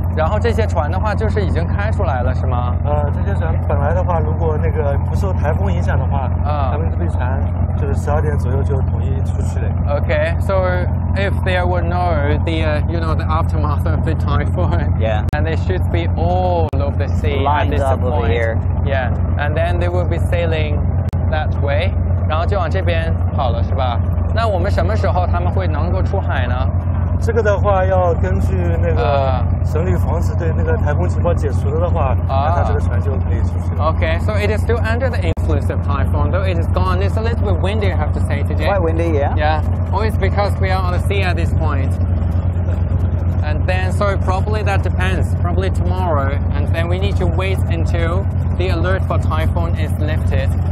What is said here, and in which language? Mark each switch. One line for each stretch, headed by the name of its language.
Chinese: 然后这些船的话就是已经开出来了是吗？这些船本来的话如果那个不受台风影响的话他们这些船就是12点左右就统一出去了。
English: OK, so if there were no the,you know, the aftermath of the typhoon, yeah, and they should be all of the sea lined at this up point, over here. Yeah, and then they will be sailing that way,
Chinese: 然后就往这边跑了是吧？那我们什么时候他们会能够出海呢？这个的话要根据那个省里防止对那个台风情报解除了的话那他这个船就可以出去了。
English: OK, so it is still under the influence of typhoon, though it is gone. It's a little bit windy, I have to say, today. Quite windy, yeah. Yeah, or it's because we are on the sea at this point. And then, so probably that depends, probably tomorrow. And then we need to wait until the alert for typhoon is lifted.